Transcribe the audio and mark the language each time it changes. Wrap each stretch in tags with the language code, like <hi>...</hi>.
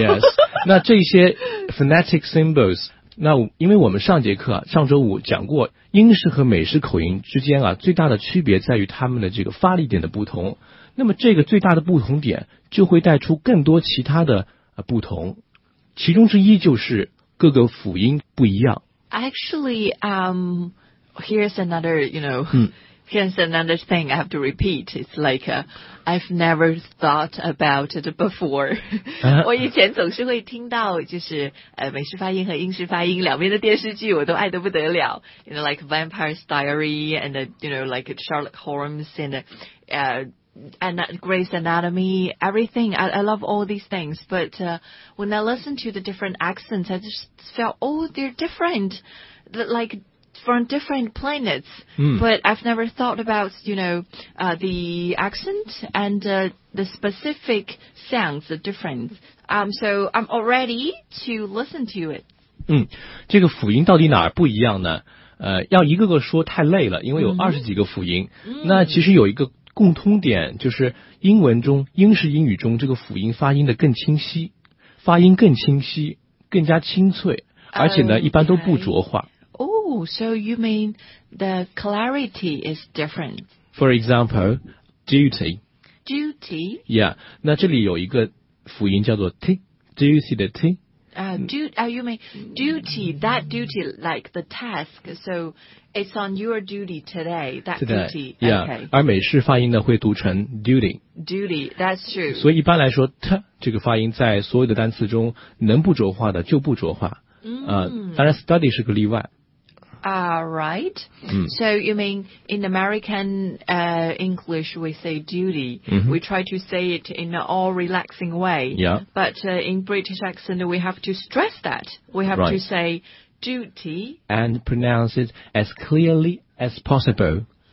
<en>Yes.</en> <zh>那这些 phonetic symbols， 那因为我们上节课上周五讲过，英式和美式口音之间啊，最大的区别在于他们的这个发力点的不同。那么这个最大的不同点就会带出更多其他的不同，其中之一就是各个辅音不一样。</zh> <en>Actually, here's another, you know, here's another thing I have to repeat. It's like, I've never thought about it before.</en> <zh>我以前总是会听到就是美式发音和英式发音两边的电视剧我都爱得不得了。</zh> <en>You know, like Vampire's Diary and, you know, like Sherlock Holmes and, And Grey's Anatomy, everything. I love all these things. But when I listened to the different accents, I just felt, oh, they're different, like from different planets. But I've never thought about, you know, the accent and the specific sounds are different. So I'm all ready to listen to it.</en> <zh>这个辅音到底哪儿不一样呢？要一个个说太累了，因为有20几个辅音。那其实有一个共通点就是英文中英式英语中这个辅音发音的更清晰，发音更清晰，更加清脆，而且呢、</zh> <en>okay.</en> <zh>一般都不浊化。</zh> <en>Oh, so you mean the clarity is different? For example, duty. Duty?</en> <zh>Yeah, 那这里有一个辅音叫做 t,</zh> <en>do you see the t? You mean duty, that duty like the task, so... It's on your duty today, that today, duty. Yeah, okay.</en> <zh>而美式发音呢会读成 duty.</zh> <en>Duty, that's true.</en> <zh>所以一般来说 t 这个发音在所有的单词中能不浊化的就不浊化。当然 study 是个例外。</zh> <en>Right. So you mean in American English we say duty. We try to say it in an all relaxing way. Yeah. But in British accent we have to stress that. We have to say... duty and pronounce it as clearly as possible.</en>